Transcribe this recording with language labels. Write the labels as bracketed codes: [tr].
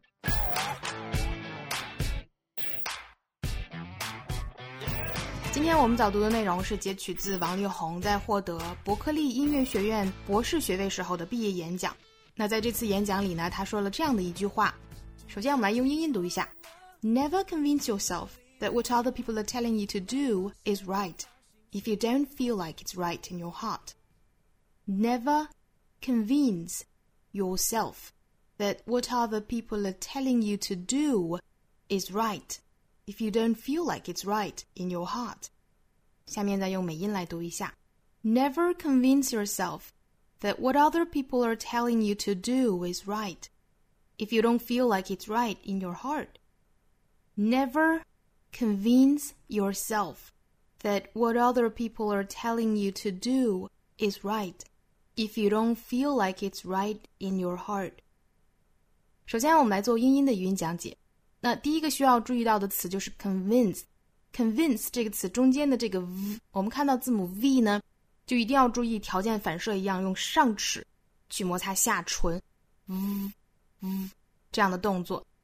[en] Come on! [zh] 今天我们早读的内容是截取自王力宏在获得伯克利音乐学院博士学位时候的毕业演讲。那在这次演讲里呢，他说了这样的一句话。首先我们来用英音读一下。 [en] Never convince yourself that what other people are telling you to do is right if you don't feel like it's right in your heart. Never convince yourself that what other people are telling you to do is right if you don't feel like it's right in your heart. [zh] 下面再用美音来读一下。 [en] Never convince yourself that what other people are telling you to do is right if you don't feel like it's right in your heart. Never convince yourself that what other people are telling you to do is right if you don't feel like it's right in your heart. [zh] 首先我们来做英音的语音讲解。那第一个需要注意到的词就是 convince。convince 这个词中间的这个 v, 我们看到字母 v 呢，就一定要注意条件反射一样用上齿去摩擦下唇 v 这样的动作。